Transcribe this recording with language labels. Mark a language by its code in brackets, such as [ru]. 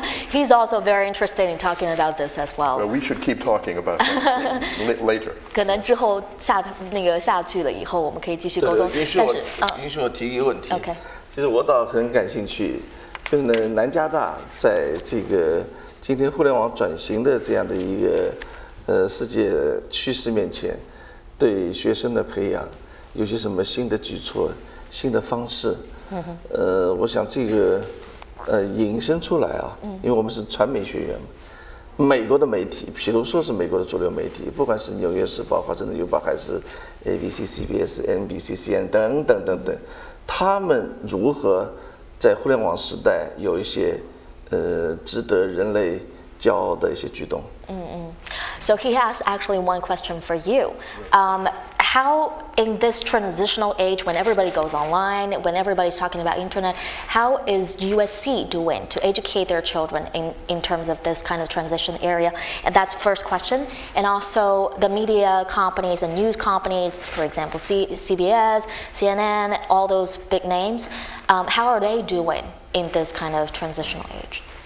[en] He's also very interested in talking about this as well. Well, we should keep talking about it later. [zh] 可能之后下那个下去了以后，我们可以继续沟通。允许我，允许我提一个问题。 OK，其实我倒很感兴趣，就是南加大在这个今天互联网转型的这样的一个世界趋势面前，对学生的培养有些什么新的举措、新的方式？我想这个。引申出来啊，因为我们是传媒学院嘛，美国的媒体，比如说是美国的主流媒体，不管是《纽约时报》、《华盛顿邮报》还是 ABC、CBS、NBC、CNN 等等等等，他们如何在互联网时代有一些值得人类骄傲的一些举动？ [en] So he has actually one question for you. How in this transitional age, when everybody goes online, when everybody's talking about internet, how is USC doing to educate their children in terms of this kind of transition area? And that's first question. And also the media companies and news companies, for example, CBS, CNN, all those big names, how are they doing in this kind of transitional age?